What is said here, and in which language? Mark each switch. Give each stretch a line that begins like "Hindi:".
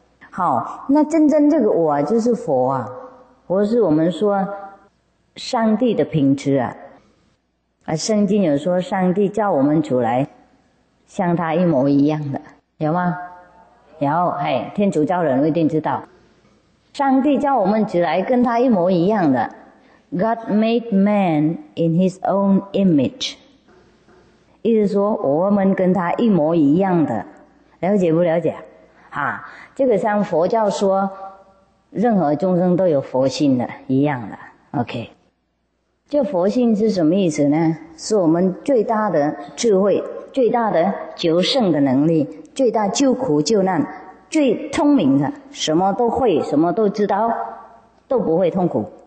Chinese: 好，那真正这个我就是佛啊，或是我们说上帝的品质啊。圣经有说上帝叫我们出来像他一模一样的，有吗？有。嘿，天主教人一定知道上帝叫我们出来跟他一模一样的。
English: God made man in his own image，
Chinese: 意思说我们跟他一模一样的，了解不了解啊？这个像佛教说任何众生都有佛性的一样的。 OK， 这佛性是什么意思呢？是我们最大的智慧，最大的求胜的能力，最大救苦救难，最聪明的，什么都会，什么都知道，都不会痛苦。